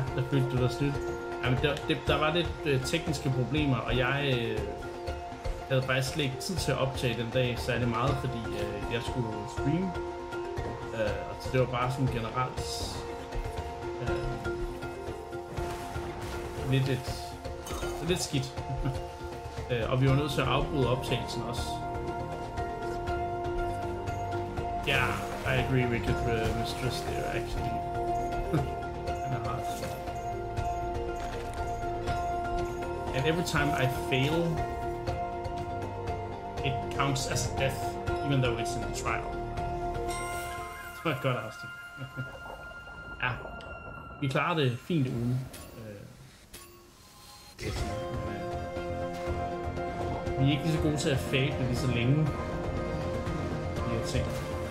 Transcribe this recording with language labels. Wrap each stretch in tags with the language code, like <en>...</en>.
<da>Der var lidt tekniske problemer, og jeg havde faktisk slet ikke tid til at optage den dag særlig meget, fordi jeg skulle streame. Og så det var bare sådan generelt lidt skidt. Og vi var nødt til at afbryde optagelsen også.</da> <en>Ja, yeah, I agree with the mistress there, actually. And every time I fail, it counts as a death, even though it's in the trial.</en> <da>Så er det godt, Austin. Ja, vi klarer det fint uden. Vi er ikke lige så gode til at fail det lige så længe, vi har tænkt.</da>